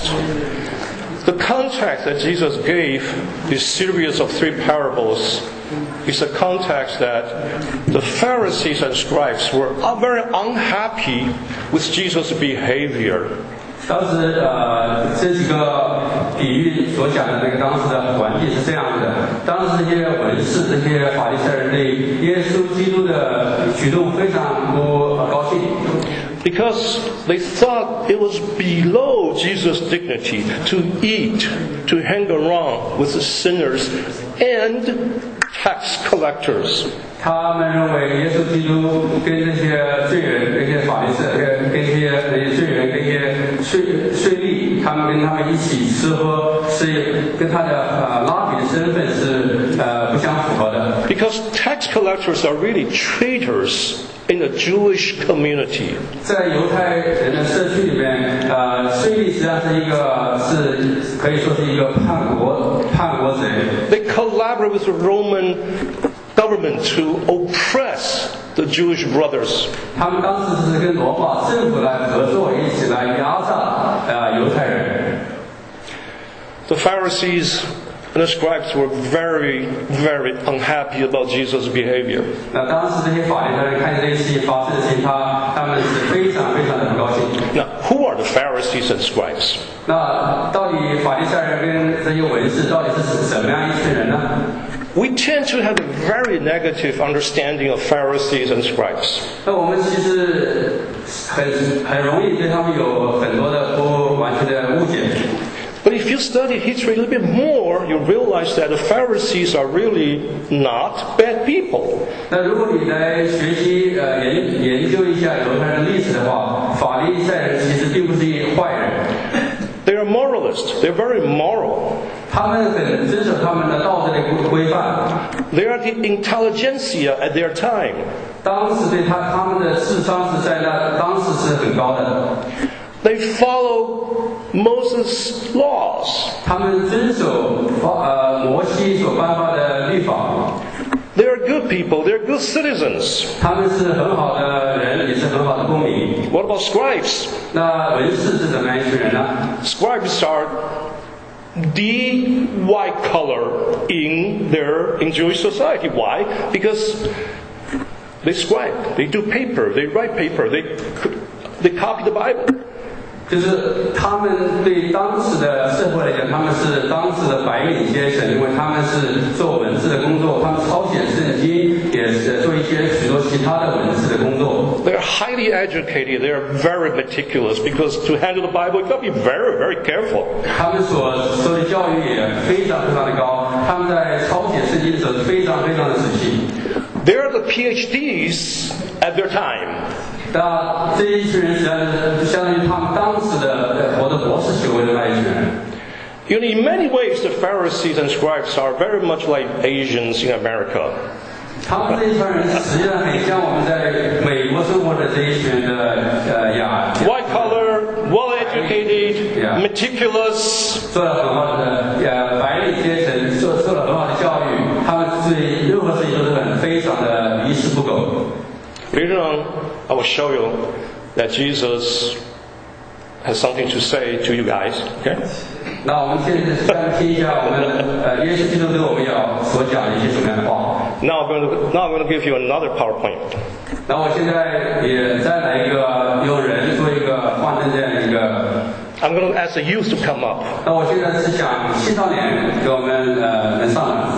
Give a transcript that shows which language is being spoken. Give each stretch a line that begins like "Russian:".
English: The context that Jesus gave this series of three parables is a context that the Pharisees and scribes were very unhappy with Jesus' behavior.
Chinese: 当时这几个比喻所讲的那个当时的环境是这样的，当时这些文士这些法利赛人对耶稣基督的举动非常不高兴。
English: Because they thought it was below Jesus' dignity to eat, to hang around with the sinners and tax collectors.
Chinese: 他们认为耶稣基督跟那些罪人、那些法利赛人、跟那些罪人、跟一些税吏，他们跟他们一起吃喝，是跟他的拉比的身份是不相符合的。
English: Because tax collectors are really traitors. In the Jewish community,
Chinese: 在犹太人的社区里面，税吏实际上是一个是可以说是一个叛国贼。
English: They collaborate with the Roman government to oppress the Jewish brothers.
Chinese: 他们当时是跟罗马政府来合作，一起来压榨犹太人。
English: The Pharisees. And the scribes were very, very unhappy about Jesus' behavior.
Chinese: 那当时这些法利赛人看见这些事情发生的时候，他们是非常非常的不高兴。
English: Now, who are the Pharisees and scribes?
Chinese: 那到底法利赛人跟这些文士到底是什么样一群人呢？
English: We tend to have a very negative understanding of Pharisees and scribes.
Chinese: 那我们其实很容易对他们有很多的不完全的误解。
English: But if you study history a little bit more, you realize that the Pharisees are really not bad people.
Chinese: 那如果你来学习研究一下犹太人历史的话，法利赛人其实并不是坏人。
English: They are moralists. They are very moral.
Chinese: 他们很遵守他们的道德的规范。
English: They are the intelligentsia at their time.
Chinese: 当时对他们的智商是在那当时是很高的。
English: They follow Moses' laws.
Chinese: 他们遵守摩西所颁发的律法。
English: They are good people. They are good citizens.
Chinese: 他们是很好的人，也是很好的公民。
English: What about scribes?
Chinese: 那文士是怎么样一群人呢？
English: Scribes are the white color in Jewish society. Why? Because they scribe. They do paper. They write paper. They copy the Bible.
Chinese: 就是他们对当时的社会来讲，他们是当时的白领阶层，因为他们是做文字的工作，他们抄写圣经，也是做一些许多其他的文字的工作。
English: They are highly educated. They are very meticulous because to handle the Bible, you got to be very, very careful.
Chinese: 他们所受的教育也非常非常的高，他们在抄写圣经的时候非常非常的仔细。
English: They are the PhDs at their time.
Chinese: 那这一群人相当于他们当时的获得博士学位的那一群人。
English: You know, in many ways, the Pharisees and scribes are very much like Asians in America.
Chinese: 他们这一群人实际上很像我们在美国生活的这一群的亚。
English: White color, well educated, meticulous.
Chinese: 做了很好的白领阶层，受了很好的教育，他们对任何事情都是很非常的一丝不苟。非常。
English: I will show you that Jesus has something to say to you guys. Okay?
Chinese: 那我们现在先听一下我们耶稣基督对我们要所讲的一些什么样的话。
English: Now I'm going to give you another PowerPoint.
Chinese: 那我现在也再来一个有人做一个换证这样一个。
English: I'm going to ask the youth to come up.
Chinese: 那我现在是想青少年给我们能上来。